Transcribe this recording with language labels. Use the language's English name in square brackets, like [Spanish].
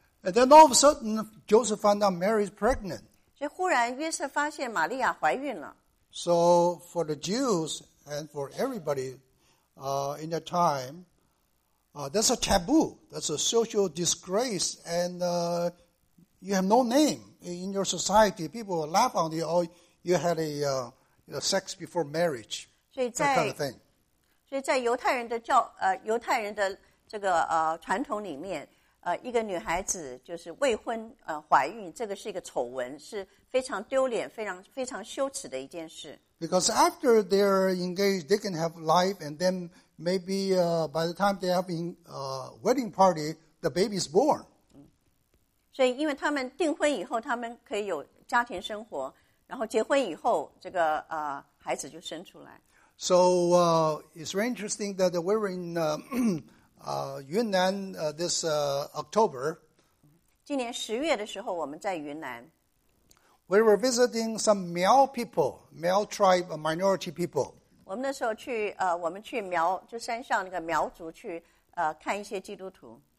[English] And then all of a sudden, Joseph found out Mary is pregnant. [Chinese] 所以忽然约瑟发现玛利亚怀孕了。 [English] So for the Jews and for everybody in that time, that's a taboo. That's a social disgrace. And you have no name in your society. People will laugh on you. Oh, you had sex before marriage. That kind of thing. [Chinese] 所以在犹太人的教犹太人的这个传统里面一个女孩子就是未婚怀孕，这个是一个丑闻，是非常丢脸、非常羞耻的一件事。 [English] Because after they're engaged, they can have life, and then maybe by the time they have a wedding party, the baby's born. [Chinese] 所以，因为他们订婚以后，他们可以有家庭生活，然后结婚以后，这个孩子就生出来。 [English] So it's very interesting that we were in. Yunnan this October. [Chinese] 今年十月的时候，我们在云南。 [English] We were visiting some Miao people, Miao tribe, minority people. [Chinese] 我们那时候去我们去苗就山上那个苗族去看一些基督徒。